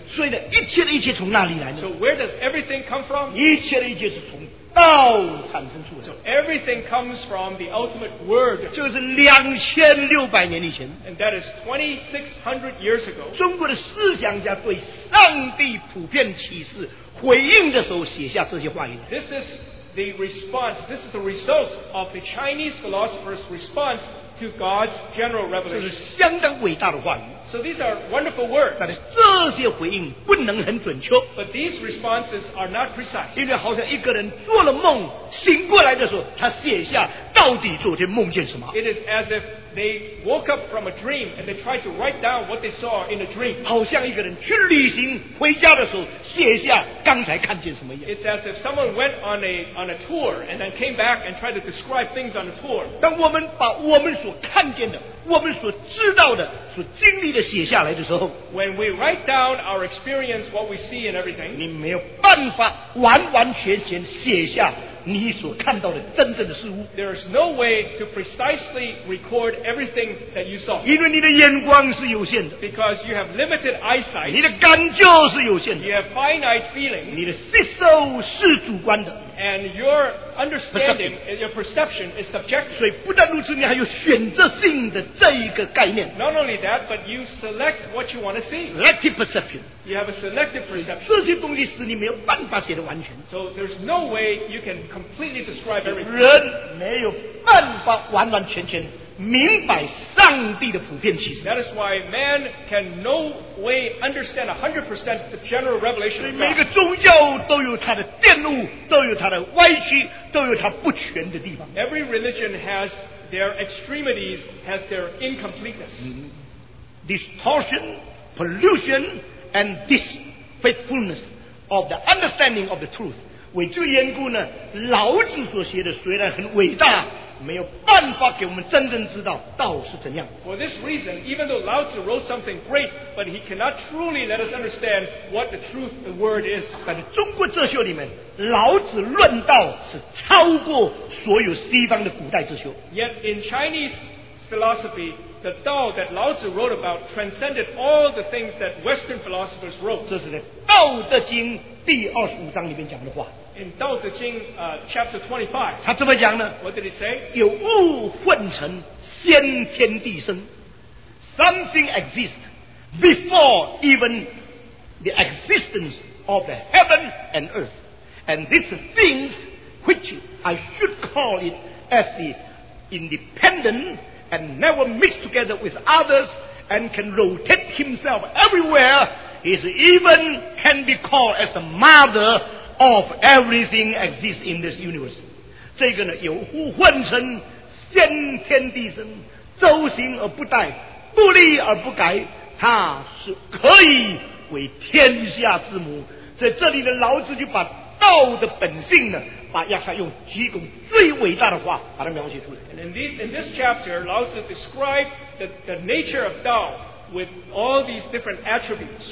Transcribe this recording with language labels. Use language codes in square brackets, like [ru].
[zh] 所以呢，一切的一切从哪里来呢？ [en] So where does everything come from? [zh] 一切的一切是从道产生出来。 [en] So everything comes from the ultimate word. [zh] 就是2600年以前。 [en] And that is 2600 years ago. [zh] 中国的思想家对上帝普遍启示回应的时候写下这些话语。 [en] This is the response. This is the result of the Chinese philosopher's response to God's general revelation. [zh] 这是相当伟大的话语。 [en] So these are wonderful words. [zh] 但是这些回应不能很准确。 [en] But these responses are not precise. [zh] 因为好像一个人做了梦，醒过来的时候，他写下到底昨天梦见什么。 [en] It is as if they woke up from a dream and they tried to write down what they saw in the dream. [zh] 好像一个人去旅行回家的时候，写下刚才看见什么一样。 [en] It's as if someone went on a tour and then came back and tried to describe things on the tour. [zh] 当我们把我们所看见的，我们所知道的，所经历的写下来的时候， [en] when we write down our experience, what we see and everything, [zh] 你没有办法完完全全写下你所看到的真正的事物。 [en] There is no way to precisely record everything that you saw. [zh] 因为你的眼光是有限的。 [en] Because you have limited eyesight. [zh] 你的感觉是有限的。 [en] You have finite feelings. [zh] 你的吸收是主观的。 [en] And your understanding, your perception is subjective. [zh] 所以不但如此，你还有选择性的这一个概念。 [en] Not only that, but you select what you want to see. Selective perception. You have a selective perception. [zh] 这些东西使你没有办法写得完全。 [en] So there's no way you can completely describe everything. [zh] 人没有办法完完全全明白上帝的普遍启示。 [en] That is why man can no way understand 100% the general revelation of God. [zh] 每个宗教都有它的玷污，都有它的歪曲，都有它不全的地方。 [en] Every religion has their extremities, has their incompleteness. Distortion, pollution, and disfaithfulness of the understanding of the truth. [zh] 为这缘故呢，老子所写的虽然很伟大，没有办法给我们真正知道道是怎样。 [en] For this reason, even though Lao Tzu wrote something great, but he cannot truly let us understand what the truth, the word is. [zh] 但是中国哲学里面，老子论道是超过所有西方的古代哲学。 [en] Yet in Chinese philosophy, the Tao that Lao Tzu wrote about, transcended all the things that Western philosophers wrote. [zh] 这是在《道德经》第二十五章里面讲的话。 [en] In Tao Te Ching, chapter 25, [zh] 他怎么讲呢? [en] What did he say? [zh] 有物混成，先天地生。 [en] Something exists before even the existence of the heaven and earth. And these things, which I should call it as the independent and never mixed together with others and can rotate himself everywhere, is even can be called as the mother of everything exists in this universe. [zh] 这个呢，有物混成，先天地生，周行而不殆，不立而不改，它是可以为天下之母。在这里的老子就把道的本性呢，把亚萨用几种最伟大的话把它描写出来。 [en] And in this chapter, Lao Tzu described the nature of Tao with all these different attributes.